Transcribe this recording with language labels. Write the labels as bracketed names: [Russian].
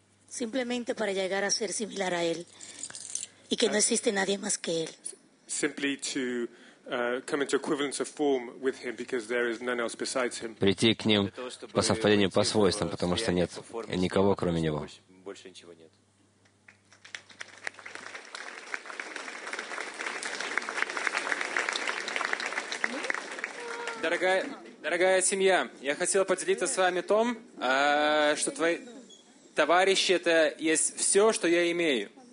[Spanish] Simplemente para llegar a ser similar a él y que no existe nadie más que él. [English] Simply to come into equivalence of form with him because there is none else besides him. [Russian] Прийти к ним по совпадению по свойствам, потому что нет никого кроме него. Больше ничего нет. Дорогая семья, я хотел поделиться с вами том, что твои товарищи — это есть все, что я имею.